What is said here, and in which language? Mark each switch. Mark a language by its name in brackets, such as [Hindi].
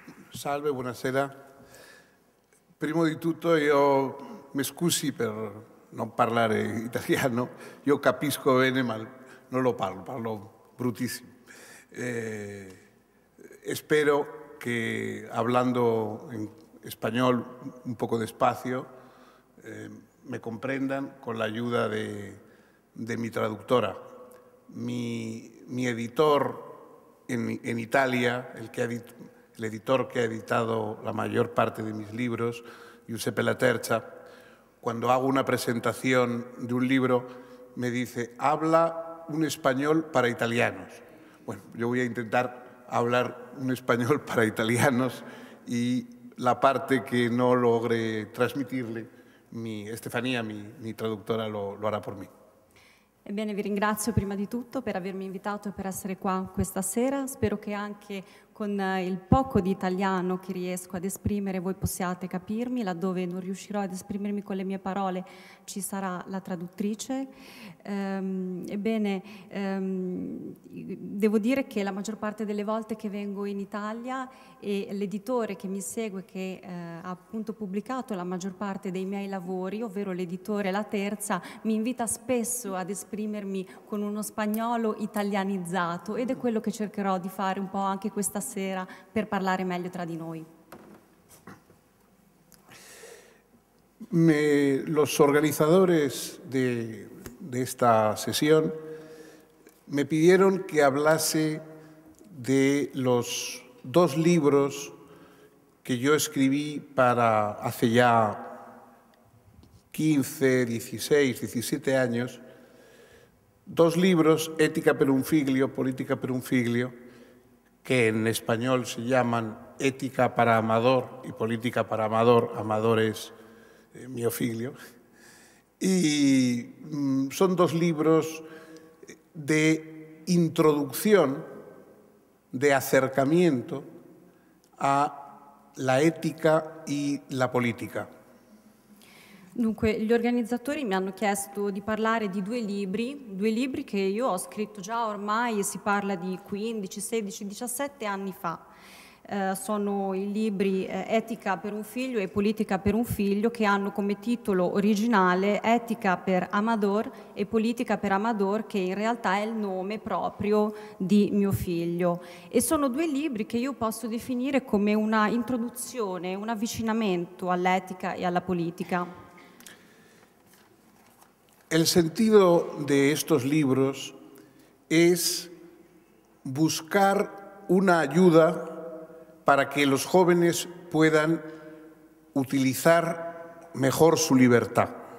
[Italian] Salve, buonasera. Prima di tutto io mi scusi per non parlare italiano. Io capisco bene, ma non lo parlo, parlo bruttissimo. E spero che, [Spanish] hablando in español un poco despacio, me comprendan con la ayuda de mi traductora. Mi editor en Italia, el editor que ha editado la mayor parte de mis libros, Giuseppe La Terza, cuando hago una presentación de un libro, me dice, habla un español para italianos. Bueno, yo voy a intentar hablar un español para italianos y la parte que no logre transmitirle, mi Estefanía, mi traductora, lo hará por mí. [Italian] Ebbene, vi ringrazio prima di tutto per avermi invitato e per essere qua questa sera. Spero che anche con il poco di italiano che riesco ad esprimere voi possiate capirmi. Laddove non riuscirò ad esprimermi con le mie parole, ci sarà la traduttrice. Ebbene, devo dire che la maggior parte delle volte che vengo in Italia e l'editore che mi segue, che ha appunto pubblicato la maggior parte dei miei lavori, ovvero l'editore La Terza, mi invita spesso ad esprimermi con uno spagnolo italianizzato, ed è quello che cercherò di fare un po' anche questa sera per parlare meglio tra di noi. [Spanish] Los organizadores de esta sesión me pidieron que hablase de los dos libros que yo escribí para hace ya 15, 16, 17 años, dos libros, Ética per un figlio, Política per un figlio, que en español se llaman Ética para Amador y Política para Amador, Amador es mio figlio, y son dos libros de introducción, de acercamiento a la ética y la política. [Italian] Dunque, gli organizzatori mi hanno chiesto di parlare di due libri che io ho scritto già ormai, si parla di 15, 16, 17 anni fa. Sono i libri Etica per un figlio e Politica per un figlio, che hanno come titolo originale Etica per Amador e Politica per Amador, che in realtà è il nome proprio di mio figlio. E sono due libri che io posso definire come una introduzione, un avvicinamento all'etica e alla politica. [Spanish] El sentido de estos libros es buscar una ayuda para que los jóvenes puedan utilizar mejor su libertad.